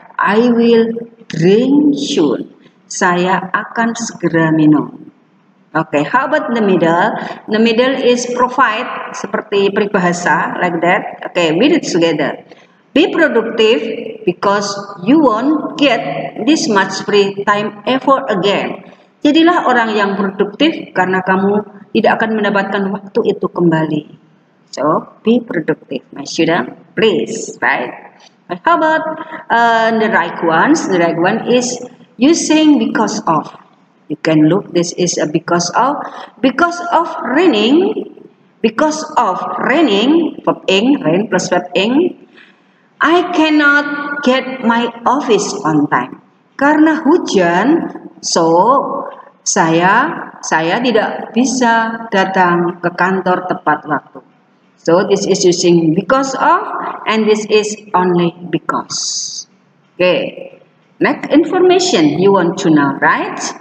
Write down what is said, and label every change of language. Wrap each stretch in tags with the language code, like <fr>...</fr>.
<en>I will drink soon.</en> <id>Saya akan segera minum.</id> <en>Okay, how about the middle? The middle is provide,</en> <id>seperti peribahasa,</id> <en>like that. Okay, read it together. Be productive, because you won't get this much free time ever again.</en> <id>Jadilah orang yang produktif karena kamu tidak akan mendapatkan waktu itu kembali.</id> <en>So, be productive, my student. Please, right? But how about the right ones? The right one is using because of. You can look, this is a because of. Because of raining. Because of raining. Verb-ing, rain plus verb-ing. I cannot get my office on time.</en> <id>Karena hujan, so... Saya tidak bisa datang ke kantor tepat waktu.</id> <en>So this is using because of, and this is only because. Okay, next information you want to know, right?</en>